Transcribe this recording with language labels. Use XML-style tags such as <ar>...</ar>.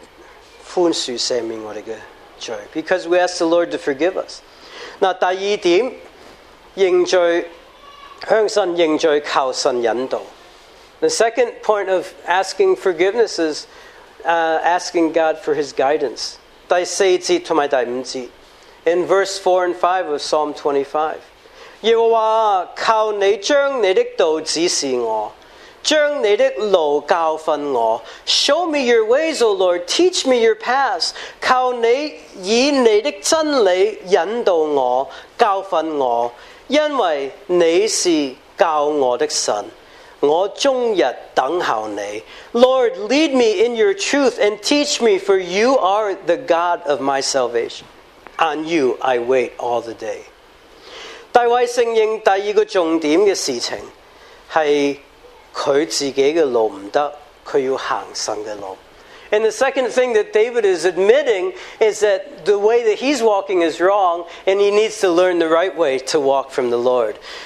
<zh>因为我们求神宽恕赦免我们的</zh> <en>Because we ask the Lord to forgive us.</en> <zh>那第二点, 认罪, 向神认罪, 求神引导。</zh> <en>The second point of asking forgiveness is asking God for His guidance.</en> <zh>第四节和第五节,</zh> <en>in verse 4 and 5 of Psalm 25.</en> <zh>耶和华, 求你将你的道指示我, 将你的路教训我,</zh> <en>Show me your ways, O Lord. Teach me your paths.</en> <zh>求你以你的真理引导我, 教训我, 因为你是教我的神, 我终日等候你。</zh> <en>Lord, lead me in your truth and teach me, for you are the God of my salvation. On you I wait all the day.</en> <zh>大卫承认第二个重点的事情, 是他自己的路不行,他要行神的路。</zh> <en>And the second thing that David is admitting is that the way that he's walking is wrong and he needs to learn the right way to walk from the Lord.</en>